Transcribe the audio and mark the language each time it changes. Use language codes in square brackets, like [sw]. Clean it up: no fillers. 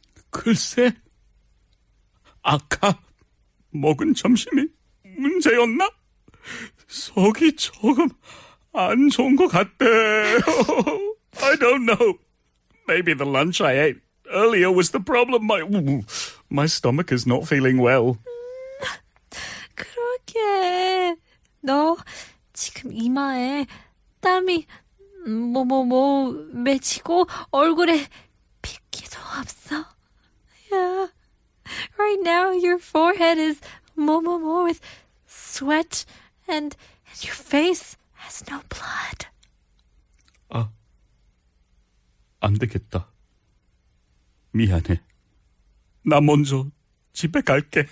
[ko] 글쎄, 아까 먹은 점심이 문제였나? 속이 조금 안 좋은 것 같대요. [en] I don't know. Maybe the lunch I ate earlier was the problem. My stomach is not feeling well. [ko] 그러게. 너 지금 이마에 땀이 뭐뭐뭐 맺히고 얼굴에 핏기도 없어. [en] Yeah. Right now your forehead is mo-mo-mo with sweat and your face has no blood. [ko] 아, 안 되겠다. 미안해. 나 먼저 집에 갈게.